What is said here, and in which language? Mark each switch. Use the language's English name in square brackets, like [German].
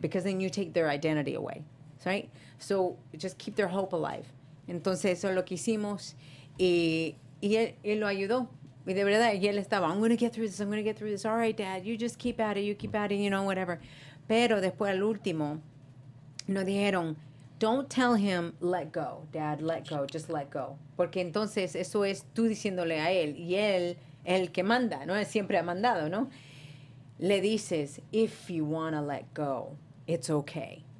[English] Because then you take their identity away, right? So just keep their hope alive. [Spanish] Entonces eso es lo que hicimos y él lo ayudó. Y de verdad, y él estaba, [English] I'm going to get through this, I'm going to get through this. All right, Dad, you just keep at it, you keep at it, you know, whatever. [Spanish] Pero después, al último, nos dijeron, [English] don't tell him, let go, Dad, let go, just let go. [Spanish] Porque entonces, eso es tú diciéndole a él, y él, el que manda, ¿no? Él siempre ha mandado, ¿no? Le dices, [English] if you want to let go, it's okay.